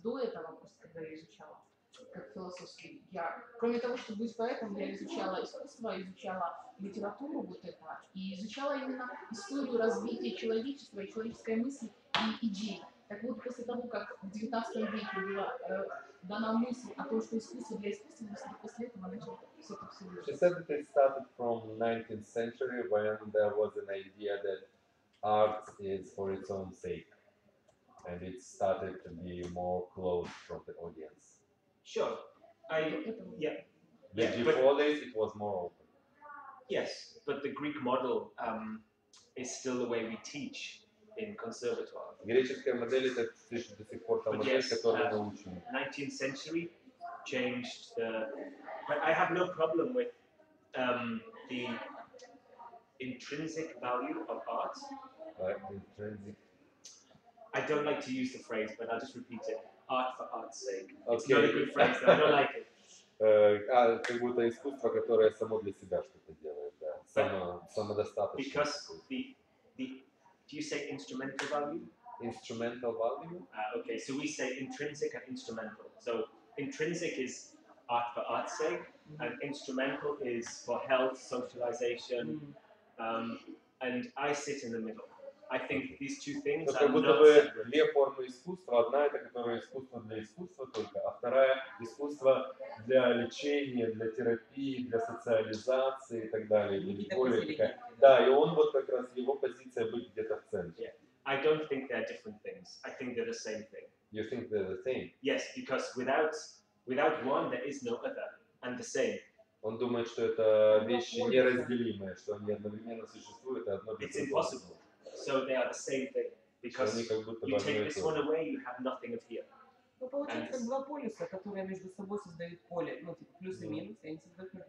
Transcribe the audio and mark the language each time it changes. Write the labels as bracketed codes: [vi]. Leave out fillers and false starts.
[ru] До этого просто, когда я изучала как философский, я кроме того, чтобы быть поэтом, я изучала искусство, изучала литературу вот это, и изучала именно историю развития человечества и человеческой мысли. И идеи. Так вот, после того, как в 19 веке была дана мысль о том, что искусство для искусственности, после этого начало все это вырушить. [en] She said that it started from 19th century, when there was an idea that art is for its own sake. And it started to be more closed from the audience. Sure. But before this, it was more open. Yes, but the Greek model is still the way we teach. [ru] Греческая модель это до сих пор та модель, которую мы учим. [en] 19th century changed the. But I have no problem with the intrinsic value of art. Intrinsic. I don't like to use the phrase, but I'll just repeat it. Art for art's sake. It's not a good phrase. I don't like it. [ru] Как будто искусство, которое само для себя что-то делает, да. Самодостаточно. [en] Because the do you say instrumental value? Instrumental value. Okay, so we say intrinsic and instrumental. So intrinsic is art for art's sake, and instrumental is for health, socialization, and I sit in the middle. I think these two things are not separate. [ru] Две формы искусства. Одна это которое искусство для искусства только, а вторая искусство для лечения, для терапии, для социализации и так далее. Или более такая. Да, и он вот как раз его позиция быть где-то в центре. [en] Yeah. I don't think they're different things. I think they're the same thing. You think they're the same? Yes, because without one, there is no other and the same. [ru] Он думает, что это вещи неразделимые, что они одновременно существуют, а одно без другого. [en] It's impossible. So they are the same thing because you take this one away, you have nothing of here. [ru] Ну, получается, два полюса, которые между собой создают поле, ну, типа плюс и минус, они создают...